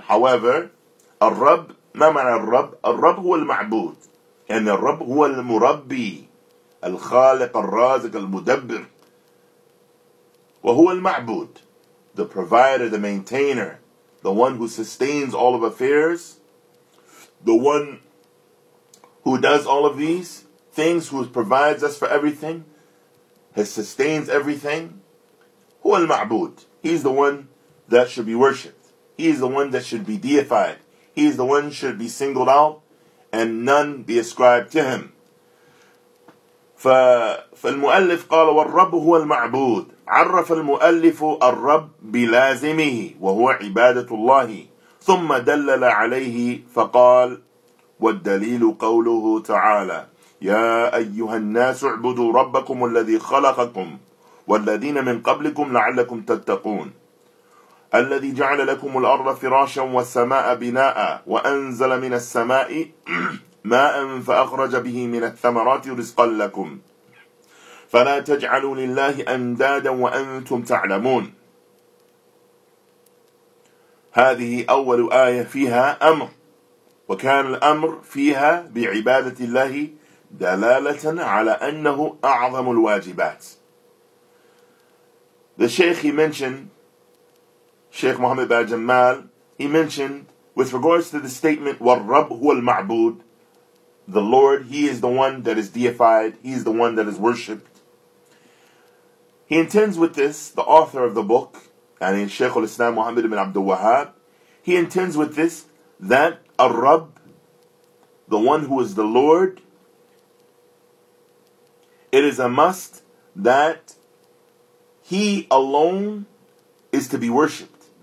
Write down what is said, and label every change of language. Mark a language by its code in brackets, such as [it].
[en] However, Ar-Rab, [ar] ما معنى [en] Ar-Rab? [ar] Ar-Rab هو المعبود. يعني Ar-Rab هو المربي. الخالق الرازق المدبر. وهو المعبود. [en] The provider, the maintainer. The one who sustains all of affairs. The one who does all of these things, who provides us for everything, has sustains everything. [ar] هو المعبود. [en] He's the one that should be worshipped. He is the one that should be deified. He is the one that should be singled out and none be ascribed to him. [ar] فالمؤلف قال والرب هو المعبود. عرف المؤلف الرب بلازمه وهو عبادة الله. ثم دلل عليه فقال والدليل قوله تعالى يا أيها الناس اعبدوا ربكم الذي خلقكم والذين من قبلكم لعلكم تتقون الذي جعل لكم الأرض فراشا والسماء بناء وأنزل من السماء ماء فأخرج به من الثمرات رزقا لكم فلا تجعلوا لله أندادا وأنتم تعلمون. هذه أول آية فيها أمر، وكان الأمر فيها بعبادة الله دلالة على أنه أعظم الواجبات. [en] The Sheikh, he mentioned, Sheikh Muhammad Ba'al Jamal, he mentioned with regards to the statement [ar] وَالرَّبْ هُوَ الْمَعْبُودِ, [en] the Lord, he is the one that is deified, he is the one that is worshipped. He intends with this, the author of the book, and in Shaykh al-Islam Muhammad ibn Abdul Wahhab, he intends with this that Ar-Rab, the one who is the Lord, it is a must that he alone is to be worshipped.